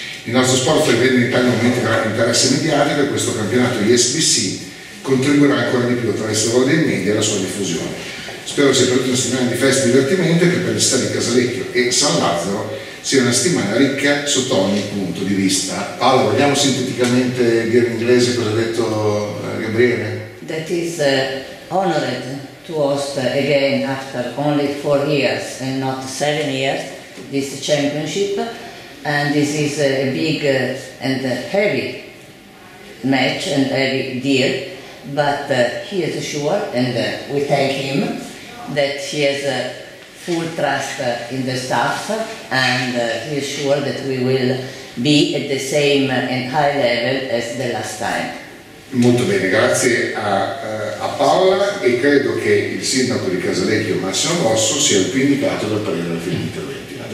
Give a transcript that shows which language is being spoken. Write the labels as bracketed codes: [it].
[it] Il nostro sport vede in Italia un aumento di interesse mediatico e questo campionato ISBC contribuirà ancora di più attraverso il ruolo dei media e la sua diffusione. Spero sia per tutti una settimana di festa e divertimento e che per le città di Casalecchio e San Lazzaro sia una settimana ricca sotto ogni punto di vista. Paolo, vogliamo sinteticamente dire in inglese cosa ha detto Gabriele? [en] That is honored to host again after only 4 years and not 7 years this championship. And this is a big and heavy match and heavy deal, but he is sure, and we thank him, that he has full trust in the staff, and he is sure that we will be at the same and high level as the last time. [it] Molto bene, grazie a Paola, e credo che il sindaco di Casalecchio, Massimo Rosso, sia il più indicato per prendere la fine di interventi.